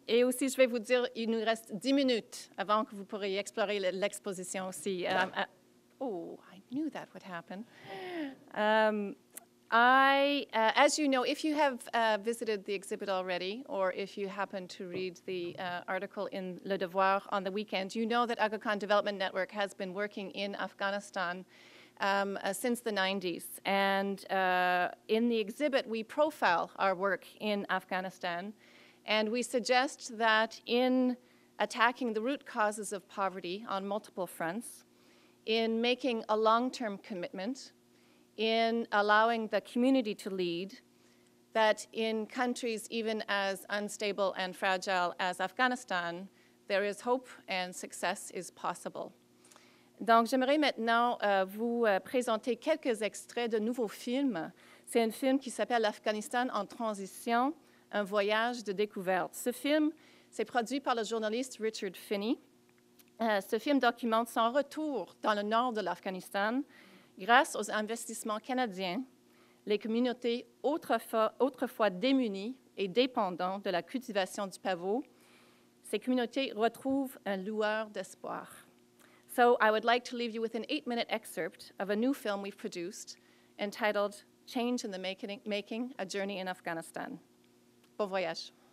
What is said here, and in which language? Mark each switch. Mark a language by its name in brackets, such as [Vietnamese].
[French] Et aussi, je vais vous dire, il nous reste 10 minutes avant que vous pourriez explorer l'exposition aussi. [English] I knew that would happen. As you know, if you have visited the exhibit already, or if you happen to read the article in Le Devoir on the weekend, you know that Aga Khan Development Network has been working in Afghanistan since the 90s. And in the exhibit, we profile our work in Afghanistan, and we suggest that in attacking the root causes of poverty on multiple fronts, in making a long-term commitment, in allowing the community to lead, that in countries even as unstable and fragile as Afghanistan, there is hope and success is possible. [French] Donc, j'aimerais maintenant vous présenter quelques extraits de nouveaux films. C'est un film qui s'appelle Afghanistan en transition, un voyage de découverte. Ce film, c'est produit par le journaliste Richard Finney. Ce film documente son retour dans le nord de l'Afghanistan grâce aux investissements canadiens, les communautés autrefois démunies et dépendantes de la cultivation du pavot. Ces communautés retrouvent un lueur d'espoir. [English] So I would like to leave you with an 8-minute excerpt of a new film we've produced entitled Change in the Making, A Journey in Afghanistan. [French] Bon voyage.